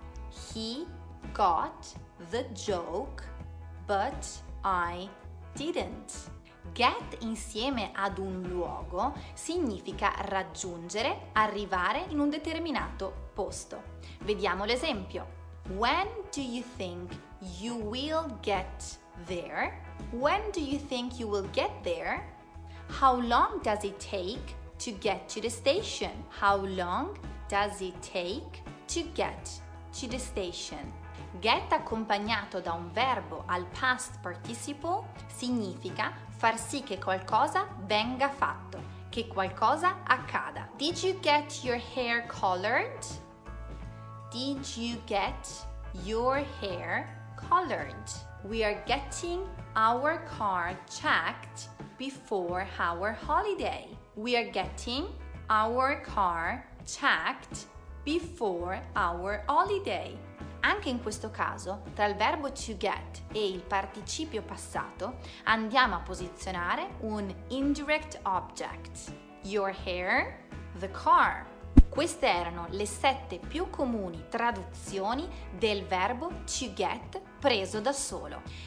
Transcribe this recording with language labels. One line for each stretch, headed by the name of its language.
English: He got the joke, but I didn't.
Italian: Get insieme ad un luogo significa raggiungere, arrivare in un determinato posto. Vediamo l'esempio.
English: When do you think you will get there? When do you think you will get there? How long does it take to get to the station? How long does it take to get to the station?
Italian: Get accompagnato da un verbo al past participle significa far sì che qualcosa venga fatto, che qualcosa accada.
English: Did you get your hair colored? Did you get your hair colored? We are getting our car checked before our holiday. We are getting our car checked before our holiday.
Italian: Anche in questo caso, tra il verbo to get e il participio passato, andiamo a posizionare un indirect object.
English: Your hair, the car.
Italian: Queste erano le 7 più comuni traduzioni del verbo to get preso da solo.